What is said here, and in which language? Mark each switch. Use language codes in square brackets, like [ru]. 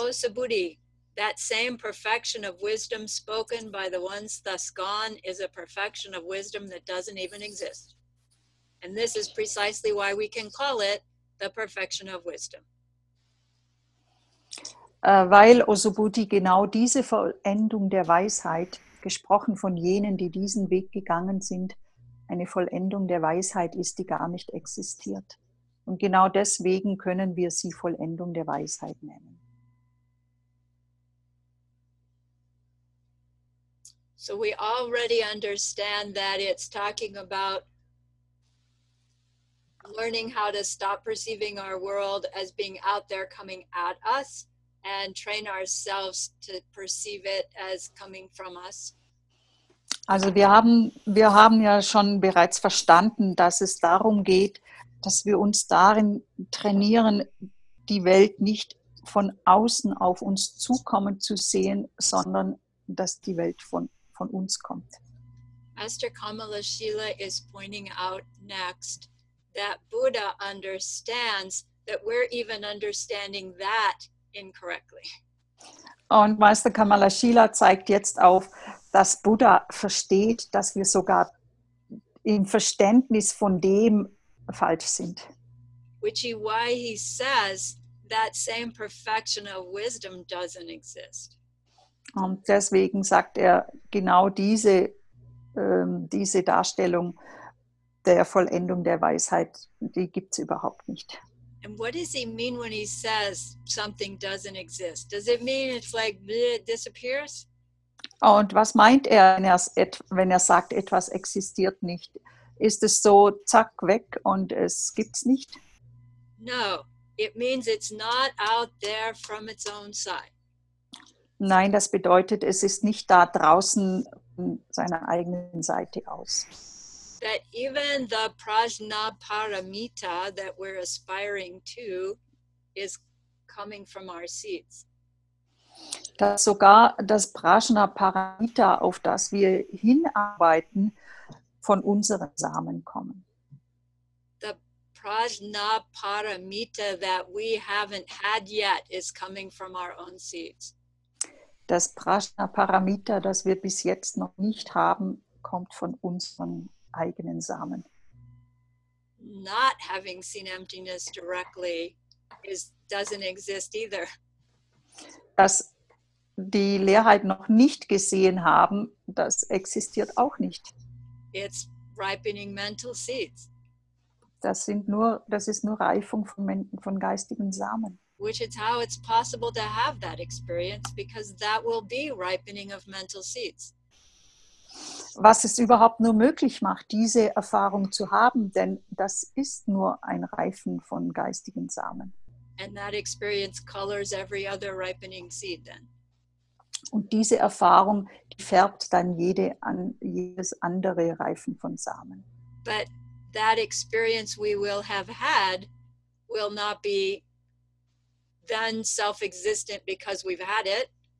[en] So, oh Subhuti, that same perfection of wisdom spoken by the ones thus gone is a perfection of wisdom that doesn't even exist. And this is precisely why we can call it the perfection of wisdom. [de] Weil, O Subhuti, genau diese Vollendung der Weisheit, gesprochen von jenen, die diesen Weg gegangen sind, eine Vollendung der Weisheit ist, die gar nicht existiert. Und genau deswegen können wir sie Vollendung der Weisheit nennen. [en] So we already understand that it's talking about learning how to stop perceiving our world as being out there coming at us and train ourselves to perceive it as coming from us. [de] Also wir haben ja schon bereits verstanden, dass es darum geht, dass wir uns darin trainieren, die Welt nicht von außen auf uns zukommen zu sehen, sondern dass die Welt von uns kommt. [en] Master Kamala Shila is pointing out next that Buddha understands that we're even understanding that incorrectly. [de] Und Meister Kamala Shila zeigt jetzt auf, dass Buddha versteht, dass wir sogar im Verständnis von dem falsch sind. [en] Which is why he says that same perfection of wisdom doesn't exist. [de] Und deswegen sagt er genau diese Darstellung der Vollendung der Weisheit, die gibt es überhaupt nicht. [en] And what does he mean when he says something doesn't exist? Does it mean it's like bleh, it disappears? [de] Und was meint er, wenn er sagt, etwas existiert nicht? Ist es so zack weg und es gibt's nicht? [en] No, it means it's not out there from its own side. [de] Nein, das bedeutet, es ist nicht da draußen von seiner eigenen Seite aus. [en] That even the Prajnaparamita that we're aspiring to is coming from our seeds. [de] dass sogar das Prajnaparamita, auf das wir hinarbeiten, von unseren Samen kommen. [en] The Prajnaparamita that we haven't had yet is coming from our own seeds. [de] Das Prajnaparamita, das wir bis jetzt noch nicht haben, kommt von unseren eigenen Samen. [en] Not having seen emptiness directly doesn't exist either. [de] Dass die Leerheit noch nicht gesehen haben, das existiert auch nicht. [en] It's ripening mental seeds. [de] Das ist nur Reifung von geistigen Samen. [en] Which is how it's possible to have that experience, because that will be ripening of mental seeds. [de] Was es überhaupt nur möglich macht, diese Erfahrung zu haben, denn das ist nur ein Reifen von geistigen Samen. [en] And that experience colors every other ripening seed then. [de] Und diese Erfahrung, die färbt dann jedes andere Reifen von Samen. [en] But that experience we will have had will not be then self-existent because we've had it.